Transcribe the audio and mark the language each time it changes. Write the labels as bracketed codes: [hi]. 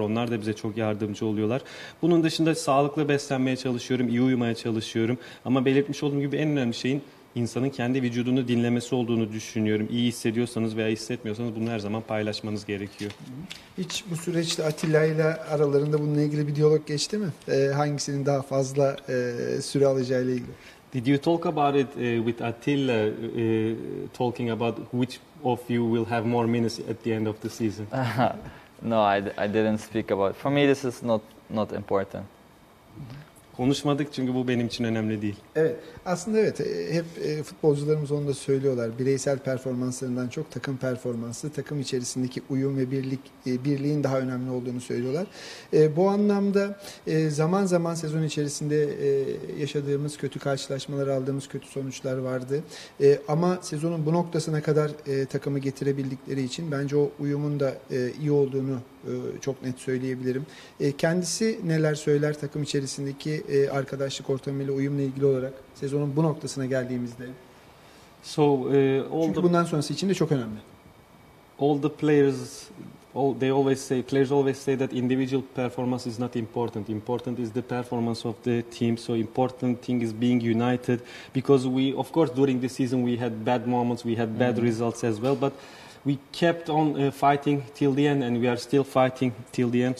[tr] Onlar da bize çok yardımcı oluyorlar. Bunun dışında sağlıklı beslenmeye çalışıyorum, iyi uyumaya çalışıyorum. Ama belirtmiş olduğum gibi en önemli şeyin insanın kendi vücudunu dinlemesi olduğunu düşünüyorum. İyi hissediyorsanız veya hissetmiyorsanız bunu her zaman paylaşmanız gerekiyor. Hiç bu süreçte Atilla ile aralarında bununla ilgili bir diyalog geçti mi? Hangisinin daha fazla süre alacağı ile ilgili? [en] Did you talk about it with Atilla, talking about which of you will have more minutes at the end of the season? No, I didn't speak about it. For me this is not important. [tr] Konuşmadık çünkü bu benim için önemli değil. Evet, aslında evet, hep futbolcularımız onu da söylüyorlar. Bireysel performanslarından çok takım performansı, takım içerisindeki uyum ve birlik, birliğin daha önemli olduğunu söylüyorlar. Bu anlamda zaman zaman sezon içerisinde yaşadığımız kötü karşılaşmalar, aldığımız kötü sonuçlar vardı. Ama sezonun bu noktasına kadar takımı getirebildikleri için bence o uyumun da iyi olduğunu çok net söyleyebilirim. Kendisi neler söyler takım içerisindeki arkadaşlık ortamıyla uyumla ilgili olarak sezonun bu noktasına geldiğimizde? [en] So, [tr] çünkü bundan sonrası için de çok önemli. [en] All the players, players always say that individual performance is not important. Important is the performance of the team. So important thing is being united, because we, of course, during the season we had bad moments, we had bad results as well, but we kept on fighting till the end, and we are still fighting till the end.